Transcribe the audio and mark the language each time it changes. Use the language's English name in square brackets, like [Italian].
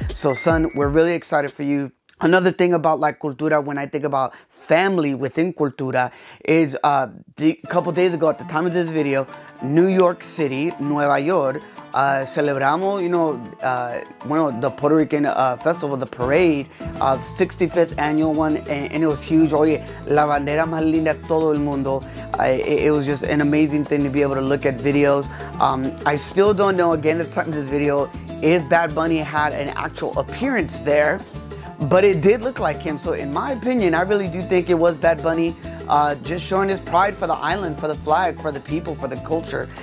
[English] So son, we're really excited for you. Another thing about like cultura, when I think about family within cultura, is a couple days ago, at the time of this video, New York City, Nueva York, [Spanish] celebramos, [English] you know, [Spanish] bueno, [English] the Puerto Rican festival, the parade, 65th annual one, and it was huge. [Spanish] Oye, la bandera más linda todo el mundo. [English] It was just an amazing thing to be able to look at videos. I still don't know, again, at the time of this video, if Bad Bunny had an actual appearance there. But it did look like him. So in my opinion, I really do think it was Bad Bunny just showing his pride for the island, for the flag, for the people, for the culture.